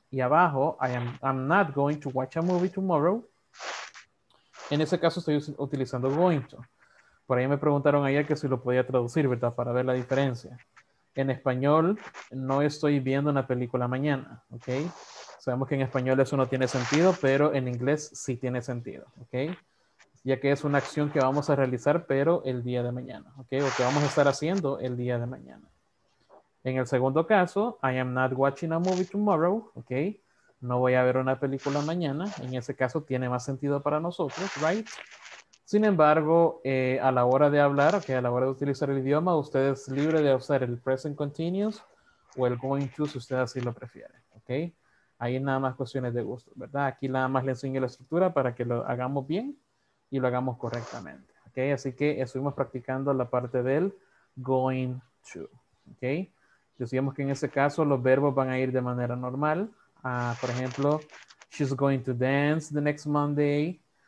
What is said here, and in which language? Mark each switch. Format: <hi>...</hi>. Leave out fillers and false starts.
<es>Y abajo,</es> <en>I'm not going to watch a movie tomorrow.</en> <es>En ese caso, estoy utilizando going to. Por ahí me preguntaron ayer que si lo podía traducir, ¿verdad? Para ver la diferencia. En español, no estoy viendo una película mañana, ¿ok? Sabemos que en español eso no tiene sentido, pero en inglés sí tiene sentido, ¿ok? Ya que es una acción que vamos a realizar, pero el día de mañana, ¿ok? O que vamos a estar haciendo el día de mañana. En el segundo caso,</es> <en>I am not watching a movie tomorrow, ¿ok?</en> <es>No voy a ver una película mañana. En ese caso, tiene más sentido para nosotros, ¿right? Sin embargo, a la hora de hablar, okay, a la hora de utilizar el idioma, usted es libre de usar el present continuous o el going to, si usted así lo prefiere, ¿ok? Ahí nada más cuestiones de gusto, ¿verdad? Aquí nada más le enseño la estructura para que lo hagamos bien y lo hagamos correctamente, ¿ok? Así que estuvimos practicando la parte del going to, ¿ok? Decíamos que en ese caso los verbos van a ir de manera normal. Por ejemplo,</es> <en>she's going to dance the next Monday.</en>